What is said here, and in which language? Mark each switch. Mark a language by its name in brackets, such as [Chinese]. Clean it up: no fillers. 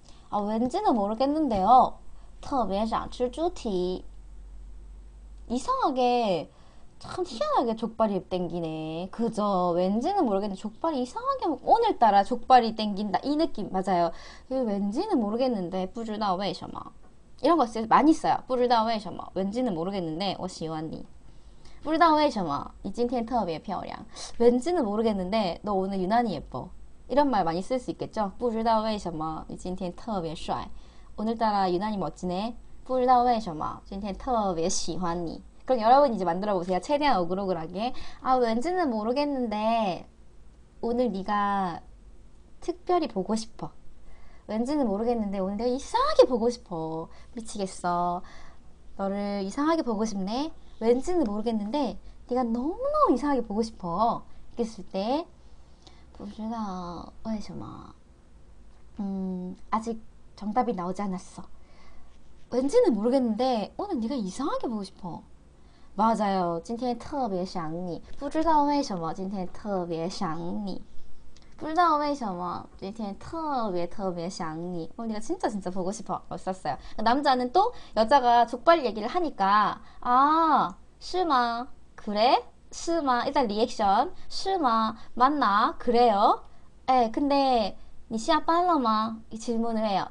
[Korean] 아, 왠지는 모르겠는데요. [Chinese] 特别想吃猪蹄. [Korean] 이상하게, 참 희한하게 족발이 땡기네. 그죠? 왠지는 모르겠는데 족발이 이상하게 오늘따라 족발이 땡긴다. 이 느낌 맞아요. 왠지는 모르겠는데, [Chinese] 不知道为什么. [Korean] 이런 거 많이 써요. [Chinese] 不知道为什么. [Korean] 왠지는 모르겠는데, [Chinese] 我喜欢你. 不知道为什么,你今天特别漂亮. [Korean] 왠지는 모르겠는데, 너 오늘 유난히 예뻐. 이런 말 많이 쓸수 있겠죠? [Chinese] 不知道为什么,你今天特别帅. [Korean] 오늘따라 유난히 멋지네. [Chinese] 不知道为什么,今天特别喜欢你. [Korean] 그럼 여러분 이제 만들어보세요. 최대한 오글오글하게. 아, 왠지는 모르겠는데, 오늘 네가 특별히 보고 싶어. 왠지는 모르겠는데 오늘 내가 이상하게 보고 싶어. 미치겠어. 너를 이상하게 보고 싶네. 왠지는 모르겠는데 네가 너무너무 이상하게 보고 싶어. 이랬을 때 [Chinese] 不知道为什么. [Korean] 아직 정답이 나오지 않았어. 왠지는 모르겠는데 오늘 네가 이상하게 보고 싶어. 맞아요. [Chinese] 今天特别想你.不知道为什么今天特别想你. 不知道为什么今天特别特别想你. [Korean] 언니가 진짜 진짜 보고 싶어. 썼어요. 남자는 또 여자가 족발 얘기를 하니까 아, [Chinese] 是吗? [Korean] 그래? [Chinese] 是吗? [Korean] 일단 리액션. 是吗?맞나? 그래요? 에, 근데 [Chinese] 你下班了吗? [Korean] 이 질문을 해요.